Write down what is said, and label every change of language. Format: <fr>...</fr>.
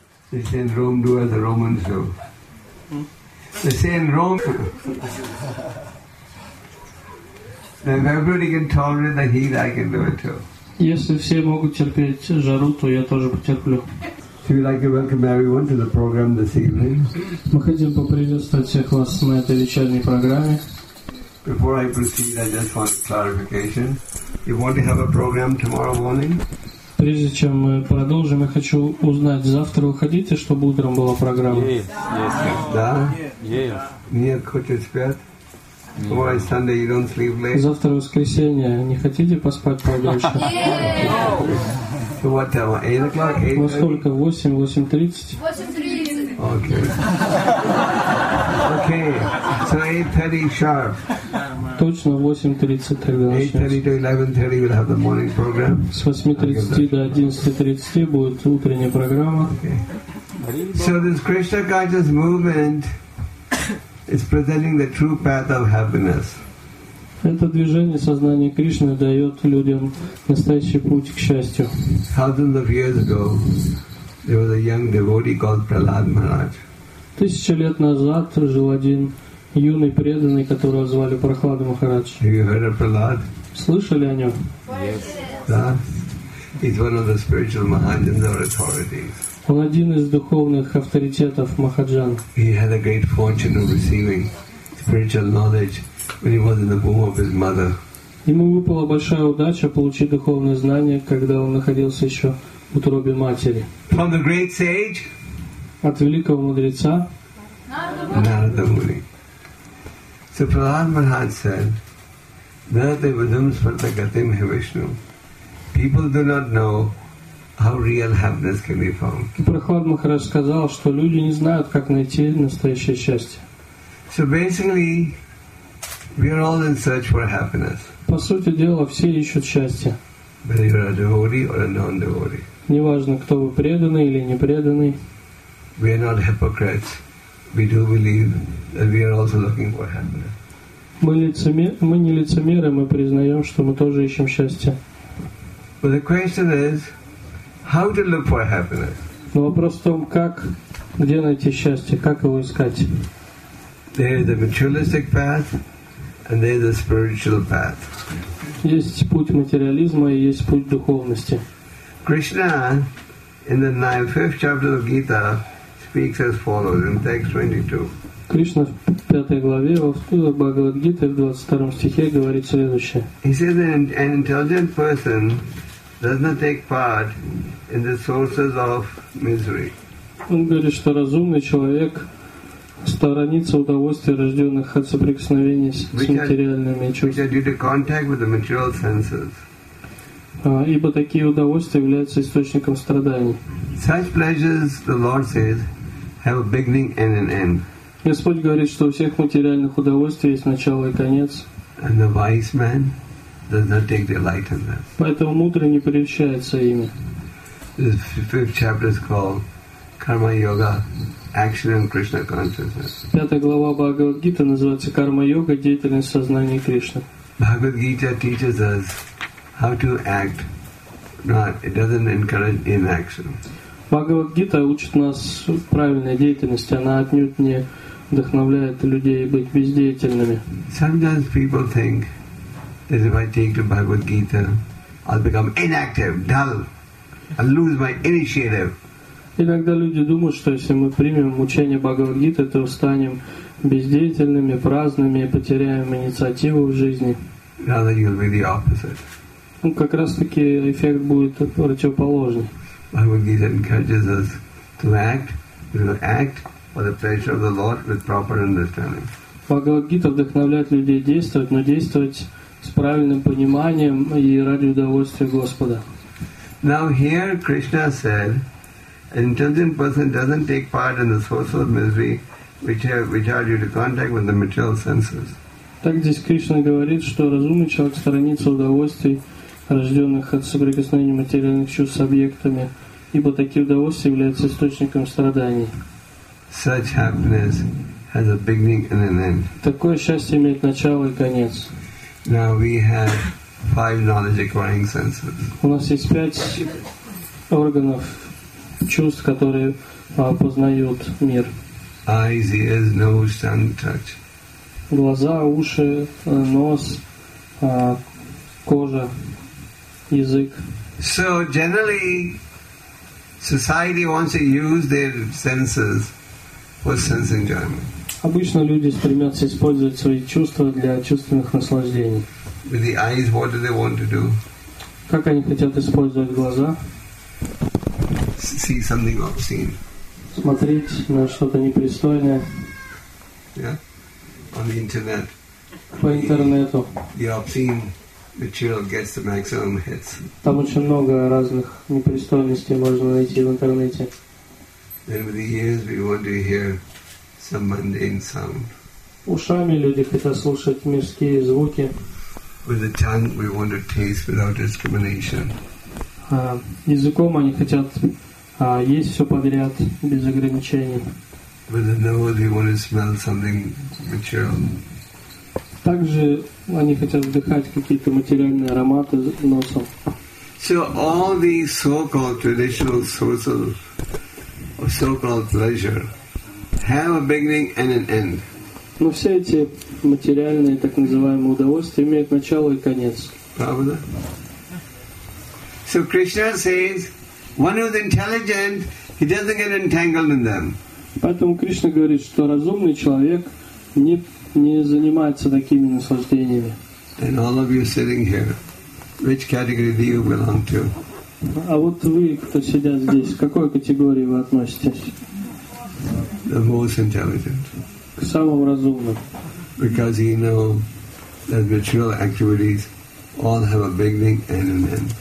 <en>They say in Rome, do as the Romans do. They say in Rome, if everybody can tolerate the heat, I can do it too.</en> <ru>Если все могут терпеть жару, то я тоже потерплю.</ru> <en>So we'd like to welcome everyone to the program this evening.</en> <ru>Мы хотим поприветствовать всех вас на этой вечерней программе.</ru> <en>Before I proceed, I just want clarification. You want to have a program tomorrow morning?</en> <ru>Прежде чем мы продолжим, я хочу узнать, завтра вы хотите, чтобы утром была программа? Да? Нет, хочешь спать?</ru> <en>Why Sunday you don't sleep late?</en> <ru>Завтра воскресенье, не хотите поспать подольше?</ru> <en>So what time? 8 o'clock.</en> <ru>Во сколько? 8:30.</ru> <en>8:30. Okay. So 8:30 sharp.</en> <ru>Точно 8:30 тогда.</ru> <en>8:30 to 11:30 we'll have the morning program.</en> <ru>С 8:30 до 11:30 будет утренняя программа.</ru> <en>So this Krishna conscious movement. It's presenting the true path of happiness.</en> <ru>Это движение сознания Кришны дает людям настоящий путь к счастью.</ru> <en>Thousands of years ago, there was a young devotee called Prahlad Maharaj.</en> <ru>Тысячи лет назад жил один юный преданный, которого звали Прахлада Махарадж.</ru> <en>Have you heard of Prahlad?</en> <ru>Слышали о нем?</ru> <en>Yes.</en> <ru>Да.</ru> <en>He's one of the spiritual Mahajans or authorities.</en> <ru>Он один из духовных авторитетов Махаджан.</ru> <en>He had a great fortune of receiving spiritual knowledge when he was in the womb of his mother.</en> <ru>Ему выпала большая удача получить духовные знания, когда он находился еще в утробе матери.</ru> <en>From the great sage?</en> <ru>От великого мудреца?</ru> <en>Narada Muni. So Prahlad Maharaj said,</en> <sa>Narada Vidham Svarta Gatim He Vishnu.</sa> <en>People do not know how real happiness can be found.</en> <ru>Прохлад Махарадж сказал, что люди не знают, как найти настоящее счастье.</ru> <en>So basically, we are all in search for happiness.</en> <ru>По сути дела, все ищут счастье.</ru> <en>Whether you are a devotee or a non-devotee.</en> <ru>Неважно, кто вы, преданный или непреданный.</ru> <en>We are not hypocrites. We do believe that we are also looking for happiness.</en> <ru>Мы не лицемеры, мы признаем, что мы тоже ищем счастье.</ru> <en>But the question is, how to look for happiness?</en> <ru>Но вопрос в том, как, где найти счастье, как его искать.</ru> <en>There is a materialistic path, and there is a spiritual path.</en> <ru>Есть путь материализма и есть путь духовности.</ru> <en>Krishna, in the 5th chapter of Gita, speaks as follows in text 22.</en> <ru>Кришна в 5 главе Бхагавад-гиты в 22 стихе говорит следующее.</ru> <en>He says that an intelligent person does not take part in the sources of misery.</en> <ru>Он говорит, что разумный человек сторонится удовольствия, рожденных от соприкосновений с материальными чувствами.</ru> <en>Due to contact with the material senses.</en> <ru>Ибо такие удовольствия являются источником страданий.</ru> <en>Such pleasures, the Lord says, have a beginning and an end.</en> <ru>Господь говорит, что у всех материальных удовольствий есть начало и конец.</ru> <en>And the wise man does not take delight in them.</en> <ru>Поэтому мудрый не прельщается ими.</ru> <en>This 5th chapter is called Karma Yoga, Action in Krishna Consciousness.</en> <ru>5 глава Бхагавад-гиты называется Карма Йога, деятельность сознания Кришны.</ru> <en>Бхагавад-гита teaches us how to act, not it doesn't encourage inaction.</en> <ru>Бхагавад-гита учит нас правильной деятельности, она отнюдь не вдохновляет людей быть бездеятельными.</ru> <en>Sometimes people think that if I take the Bhagavad Gita, I'll become inactive, dull, I'll lose my initiative.</en> <ru>Иногда люди думают, что если мы примем учение Бхагавад-гиты, то станем бездеятельными, праздными и потеряем инициативу в жизни.</ru> <en>Rather you'll be the opposite.</en> <ru>Ну, как раз таки эффект будет противоположный.</ru> <en>Bhagavad Gita encourages us to act, we will act for the pleasure of the Lord with proper understanding.</en> <ru>Bhagavad Gita вдохновляет людей действовать, но действовать с правильным пониманием и ради удовольствия Господа.</ru> <en>Now here Krishna said, an intelligent person doesn't take part in the sources of misery which are due to contact with the material senses.</en> <ru>Так здесь Кришна говорит, что разумный человек сторонится удовольствий, рожденных от соприкосновения материальных чувств с объектами, ибо такие удовольствия являются источником страданий.</ru> <en>Such happiness has a beginning and an end.</en> <ru>Такое счастье имеет начало и конец.</ru> <en>Now we have 5 knowledge acquiring senses.</en> <ru>У нас есть 5 органов чувств, которые познает мир.</ru> <en>Eyes, ears, nose, tongue, touch.</en> <ru>Глаза, уши, нос, кожа, язык.</ru> <en>So generally, society wants to use their senses for sense enjoyment.</en> <ru>Обычно люди стремятся использовать свои чувства для чувственных наслаждений.</ru> <en>With the eyes, what do they want to do?</en> <ru>Как они хотят использовать глаза?</ru> <en>See something obscene.</en> <ru>Смотреть на что-то непристойное.</ru> <en>Yeah. On the internet.</en> <ru>По интернету.</ru> <en>The obscene material gets the maximum hits.</en> <ru>Там очень много разных непристойностей можно найти в интернете.</ru> <en>Then with the ears, we want to hear some mundane sound.</en> <ru>Ушами люди хотят слушать мирские звуки.</ru> <en>With the tongue, we want to taste without discrimination.</en> <ru>Языком они хотят есть все подряд без ограничений.</ru> <en>With the nose, we want to smell something material.</en> <ru>Также они хотят вдыхать какие-то материальные ароматы носом.</ru> <en>So all these so-called traditional sources of so-called pleasure have a beginning and an end.</en> <ru>Но все эти материальные, так называемые, удовольствия имеют начало и конец. Правда?</ru> <en>So Krishna says, one who is intelligent, he doesn't get entangled in them.</en> <ru>Поэтому Кришна говорит, что разумный человек не занимается такими наслаждениями.</ru> <en>And all of you sitting here, which category do you belong to?</en> <ru>А вот вы, кто сидят здесь, к какой категории вы относитесь?</ru> <en>The most intelligent.</en> <ru>К самым разумным.</ru> <en>Because he knows that material activities all have a beginning and an end.</en>